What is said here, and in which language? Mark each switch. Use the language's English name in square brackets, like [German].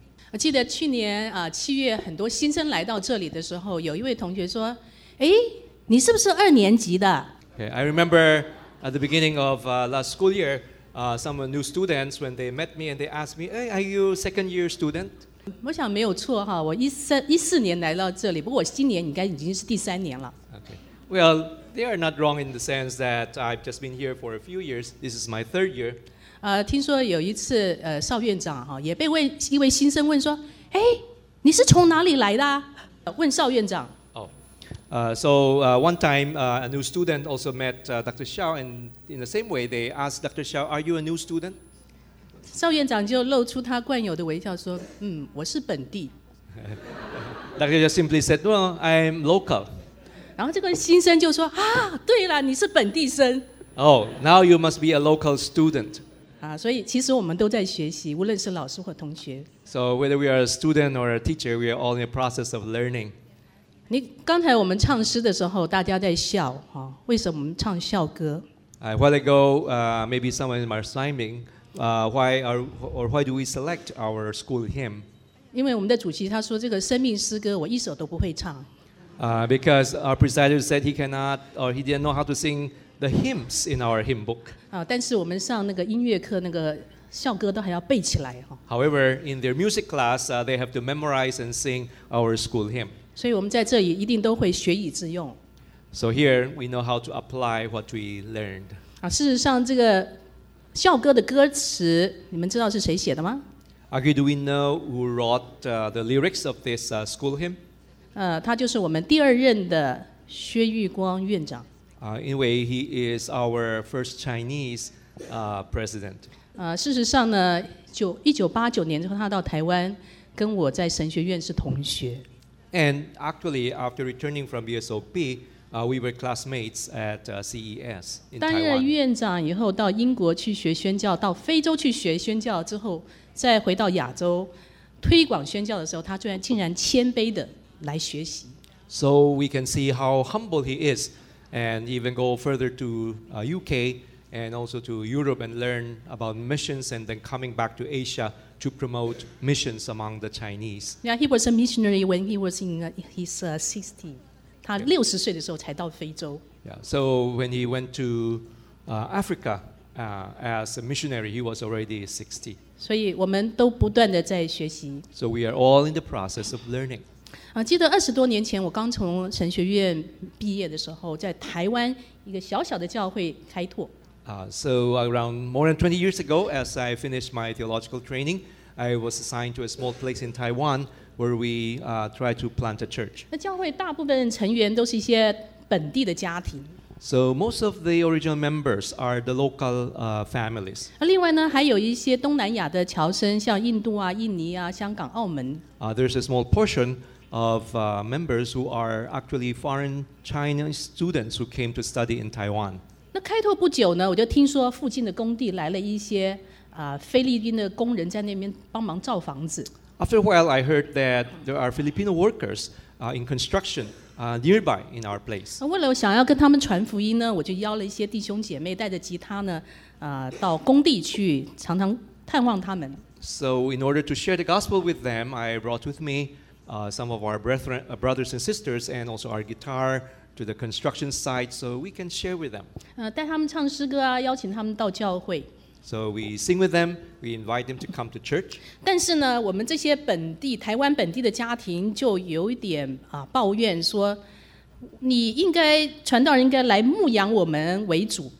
[Chinese] 我记得去年七月很多新生来到这里的时候，有一位同学说，哎，你是不是二年级的？ [English] Okay, I remember at the beginning of last school year, some new students when they met me and they asked me, hey, are you second year student? [Chinese] 我想没有错哈，我一四年来到这里，不过我今年应该已经是第三年了。 [English] Okay. Well, they are not wrong in the sense that I've just been here for a few years. This is my third year. [Chinese] 听说有一次邵院长哈也被问一位新生问说，哎、hey, ，你是从哪里来的？问邵院长。 [English] One time, a new student also met Dr. Xiao, and in the same way, they asked Dr. Xiao, "Are you a new student?" [Chinese] 邵院长就露出他惯有的微笑说，嗯，我是本地。 [English] Dr. Xiao simply said, "Well, I'm local." [Chinese] 然后这个新生就说，啊，对了，你是本地生。 [English] Oh, now you must be a local student. [Chinese] 所以其实我们都在学习，无论是老师或同学。 [English] So whether we are a student or a teacher, we are all in the process of learning. [Chinese] 你刚才我们唱诗的时候，大家在笑哈、哦？为什么我们唱笑歌 [English] ？While ago, maybe someone was rhyming. Why do we select our school hymn? [Chinese] 因为我们的主席他说这个生命诗歌我一首都不会唱。 [English] Because our presider said he cannot or he didn't know how to sing the hymns in our hymn book. [Chinese] 但是我们上那个音乐课那个笑歌都还要背起来哈、哦。 [English] However, in their music class, they have to memorize and sing our school hymn. [Chinese] 所以我们在这里一定都会学以致用。 [English] So here we know how to apply what we learned. [Chinese] 事实上这个校歌的歌词你们知道是谁写的吗？ [English] Okay, do we know who wrote the lyrics of this school hymn? [Chinese] 他就是我们第二任的薛玉光院长。因为 [English] he is our first Chinese president. [Chinese] 事实上呢1989年之后他到台湾跟我在神学院是同学。 [English] And actually, after returning from BSOB, we were classmates at CES in Taiwan. [Chinese] 担任院长以后，到英国去学宣教，到非洲去学宣教之后，再回到亚洲推广宣教的时候，他竟然谦卑的来学习。 [English] So we can see how humble he is, and even go further to UK and also to Europe and learn about missions, and then coming back to Asia. To promote missions among the Chinese. Yeah, he was a missionary when he was in his 60. [Chinese] 他六十岁的时候才到非洲。 [English] Yeah, so when he went to Africa as a missionary, he was already 60. [Chinese] 所以我们都不断的在学习。 [English] So we are all in the process of learning. [Chinese] 记得二十多年前我刚从神学院毕业的时候，在台湾一个小小的教会开拓。 [English] So around more than 20 years ago, as I finished my theological training, I was assigned to a small place in Taiwan where we tried to plant a church. [Chinese] 那教会大部分成员都是一些本地的家庭。 [English] So most of the original members are the local families. [Chinese] 另外呢，还有一些东南亚的侨生，像印度啊、印尼啊、香港、澳门。 [English] There's a small portion of members who are actually foreign Chinese students who came to study in Taiwan. [Chinese] 那开拓不久呢，我就听说附近的工地来了一些菲律宾的工人在那边帮忙造房子。 [English] After a while, I heard that there are Filipino workers in construction nearby in our place. [Chinese] 为了我想要跟他们传福音呢，我就邀了一些弟兄姐妹带着吉他呢，到工地去常常探望他们。 [English] So in order to share the gospel with them, I brought with me some of our brothers and sisters and also our guitar. To the construction site, so we can share with them. [Chinese] 带他们唱诗歌啊，邀请他们到教会。 [English] So we sing with them. We invite them to come to church. [Chinese] 但是呢，我们这些本地台湾本地的家庭就有一点抱怨说，你应该传道人应该来牧养我们为主。